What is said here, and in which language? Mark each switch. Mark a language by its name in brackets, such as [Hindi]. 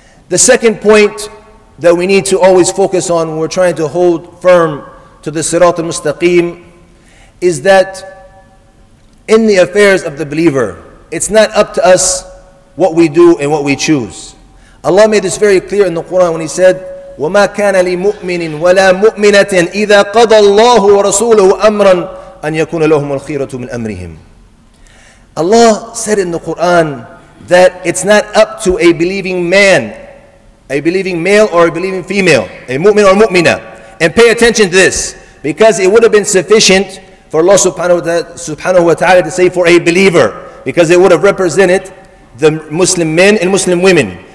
[English] The second point that we need to always focus on when we're trying to hold firm to the Sirat al-Mustaqeem is that in the affairs of the believer, it's not up to us what we do and what we choose. [Arabic] Allah made this very clear in the Quran when he said, وَمَا كَانَ لِمُؤْمِنٍ وَلَا مُؤْمِنَةٍ إِذَا قَضَى اللَّهُ وَرَسُولُهُ أَمْرًا أَنْ يَكُونَ لَهُمُ الْخِيرَةُ مِنْ أَمْرِهِمْ. [English] Allah said in the Quran that it's not up to a believing man, a believing male or a believing female, a mu'min or mu'mina. And pay attention to this, because it would have been sufficient for Allah subhanahu wa ta'ala to say for a believer, because it would have represented the Muslim men and Muslim women.